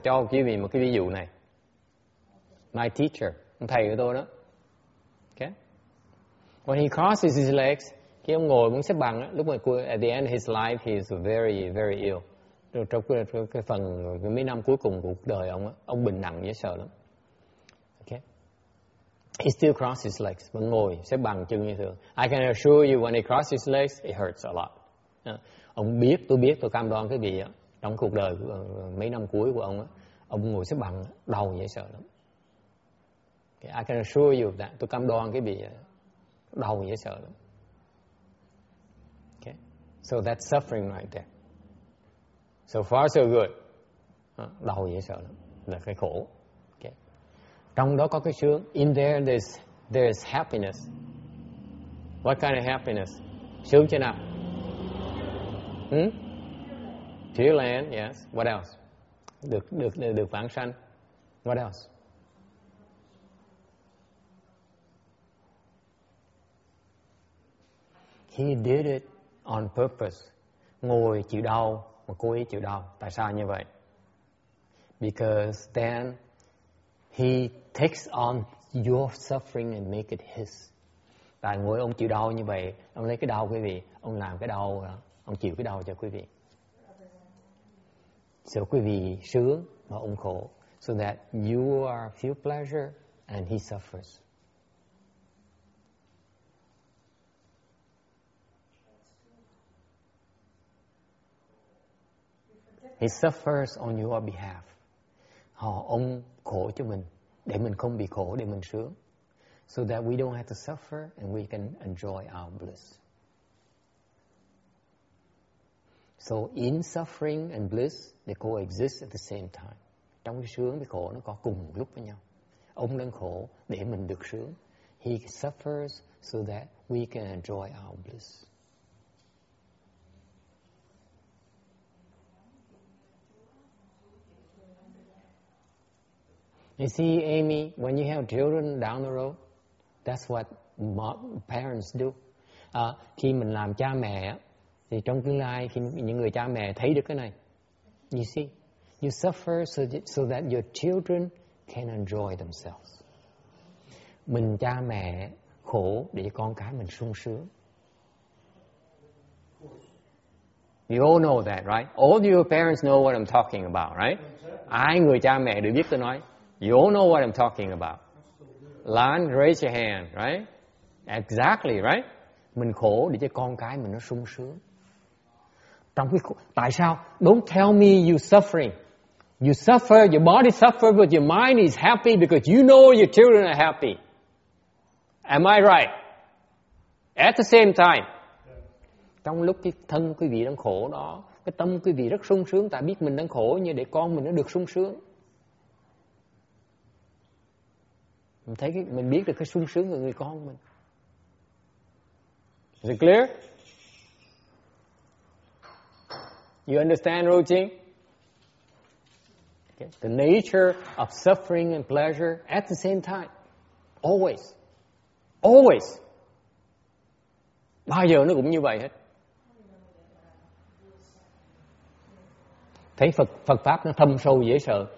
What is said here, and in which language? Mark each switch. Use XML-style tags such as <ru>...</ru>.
<vi>Cho quý vị một cái ví dụ này.</vi> <en>My teacher,</en> <vi>thầy của tôi đó. Okay.</vi> <en>When he crosses his legs,</en> <vi>khi ông ngồi muốn xếp bằng, lúc mà</vi> <en>at the end of his life, he is very, very ill.</en> <vi>Trong cái phần cái mấy năm cuối cùng của cuộc đời ông bệnh nặng dễ sợ lắm.</vi> <en>Okay. He still crosses his legs,</en> <vi>vẫn ngồi xếp bằng chân như thường.</vi> <en>I can assure you, when he crosses his legs, it hurts a lot.</en> <vi>Ông biết, tôi biết, tôi cam đoan cái gì á. Trong cuộc đời mấy năm cuối của ông á, ông ngồi xếp bằng đau dễ sợ lắm.</vi> <en>Okay, I can assure you that.</en> <vi>Tôi cam đoan cái gì đau dễ sợ lắm.</vi> <en>Okay. So that's suffering right there. So far so good.</en> <vi>Đau dễ sợ lắm. Là cái khổ. Okay. Trong đó có cái sướng.</vi> <en>In there there's happiness. What kind of happiness?</en> <vi>Sướng chưa nào?</vi> <en>Pure land, yes. What else?</en> <vi>Được vãng sanh.</vi> <en>What else? He did it on purpose.</en> <vi>Ngồi chịu đau mà cố ý chịu đau. Tại sao như vậy?</vi> <en>Because then he takes on your suffering and make it his.</en> <vi>Tại ngồi ông chịu đau như vậy, ông lấy cái đau quý vị, ông làm cái đau đó. Ông chịu cái đau cho quý vị. So quý vị sướng mà ông khổ.</vi> <en>So that you are feel pleasure and he suffers. He suffers on your behalf.</en> <vi>Ông khổ cho mình. Để mình không bị khổ, để mình sướng.</vi> <en>So that we don't have to suffer and we can enjoy our bliss. So in suffering and bliss, they coexist at the same time.</en> <vi>Trong cái sướng với khổ nó có cùng một lúc với nhau. Ông đang khổ để mình được sướng.</vi> <en>He suffers so that we can enjoy our bliss. You see, Amy, when you have children down the road, that's what parents do.</en> <vi>Khi mình làm cha mẹ á, thì trong tương lai khi những người cha mẹ thấy được cái này,</vi> <en>you see, you suffer so that your children can enjoy themselves.</en> <vi>Mình cha mẹ khổ để con cái mình sung sướng.</vi> <en>You all know that, right? All your parents know what I'm talking about, right?</en> <vi>Ai người cha mẹ đều biết tôi nói.</vi> <en>You all know what I'm talking about. Lan, raise your hand, right? Exactly, right?</en> <vi>Mình khổ để cho con cái mình nó sung sướng. Trong cái khổ. Tại sao?</vi> <en>Don't tell me you're suffering. You suffer, your body suffers, but your mind is happy because you know your children are happy. Am I right? At the same time.</en> <vi>Trong lúc cái thân quý vị đang khổ đó, cái tâm quý vị rất sung sướng tại biết mình đang khổ như để con mình nó được sung sướng. Mình thấy cái, mình biết được cái sung sướng của người con mình.</vi> <en>Is it clear? You understand routine? Okay. The nature of suffering and pleasure at the same time. Always. Always.</en> <vi>Bao giờ nó cũng như vậy hết. Thấy Phật Pháp nó thâm sâu dễ sợ.</vi>